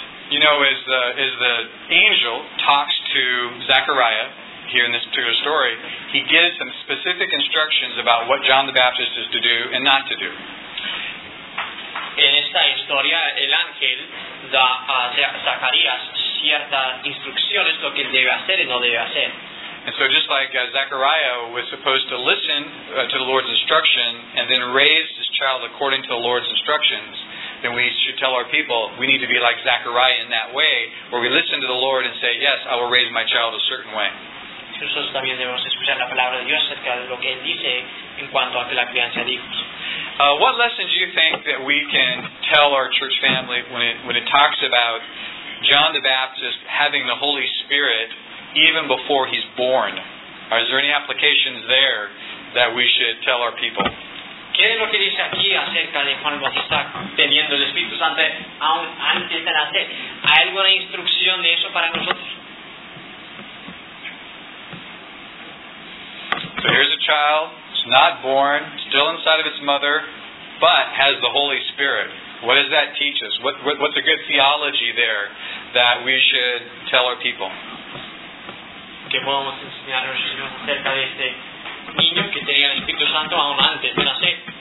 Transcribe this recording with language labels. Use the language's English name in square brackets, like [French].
[English] You know, as the angel talks to Zechariah here in this particular story, he gives some specific instructions about what John the Baptist is to do and not to do. [Spanish] En esta historia, el ángel da a Zacarías ciertas instrucciones lo que él debe hacer y no debe hacer. [English] And so just like Zechariah was supposed to listen to the Lord's instruction and then raise his child according to the Lord's instructions, then we should tell our people, we need to be like Zechariah in that way, where we listen to the Lord and say, yes, I will raise my child a certain way. [Spanish] Nosotros también debemos escuchar la palabra de Dios acerca de lo que Él dice en cuanto a la crianza de hijos. [English] What lessons do you think that we can tell our church family when it talks about John the Baptist having the Holy Spirit even before he's born? Are there any applications there that we should tell our people? [Spanish] ¿Qué es lo que dice aquí acerca de Juan Bautista teniendo el Espíritu Santo aún antes de nacer? ¿Hay alguna instrucción de eso para nosotros? [English] So here's a child, it's not born, still inside of its mother, but has the Holy Spirit. What does that teach us? What's a good theology there that we should tell our people? [Spanish] ¿Qué podemos enseñar a nuestros hijos acerca de este niño que tenía el Espíritu Santo aún antes de nacer?